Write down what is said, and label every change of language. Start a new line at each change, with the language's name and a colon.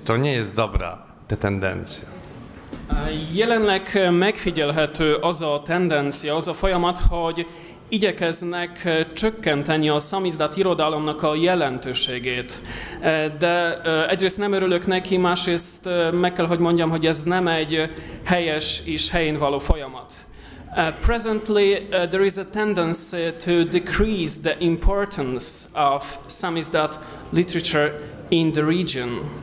Polish: To nie jest dobra te tendencja.
Hungarian: Jelenleg megfigyelhető az a tendencia, az a folyamat, hogy igyekeznek csökkenteni a szamizdat irodalomnak a jelentőségét. De egyrészt nem örülök neki, másrészt meg kell, hogy mondjam, hogy ez nem egy helyes és helyén való folyamat.
English: Presently, there is a tendency to decrease the importance of samizdat literature in the region.